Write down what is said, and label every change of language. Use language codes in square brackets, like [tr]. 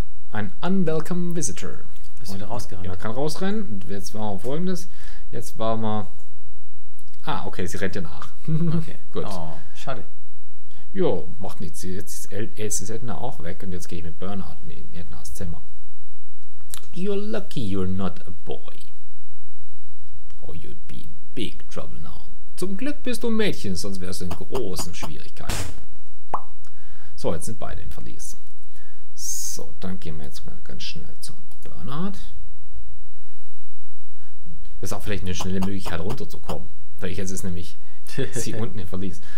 [de] Ein [en] unwelcome visitor. [de] Ist wieder rausgerannt. Ja, kann rausrennen. Und jetzt machen wir Folgendes. Jetzt waren wir... Ah, okay, sie rennt ja nach. Okay, gut. Oh, schade. Jo, macht nichts. Jetzt ist Edna auch weg und jetzt gehe ich mit Bernard in Ednas Zimmer. [en] You're lucky you're not a boy. Or you'd be in big trouble now. [de] Zum Glück bist du ein Mädchen, sonst wärst du in großen Schwierigkeiten. So, jetzt sind beide im Verlies. So, dann gehen wir jetzt mal ganz schnell zu Bernard. Das ist auch vielleicht eine schnelle Möglichkeit runterzukommen. Weil jetzt ist nämlich sie unten im Verlies.